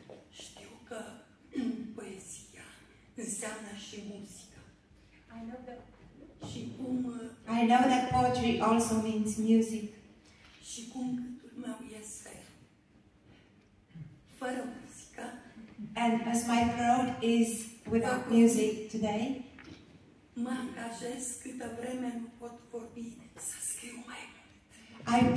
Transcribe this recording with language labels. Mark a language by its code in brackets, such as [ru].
[ro] Știu că poezia înseamnă și muzică. [en] I know that poetry also means music. [ro] Și cum gândul meu este fără muzică. [en] And as my throat is without music today, [ro] mă angajez câtă vreme nu pot vorbi să scriu mai mult.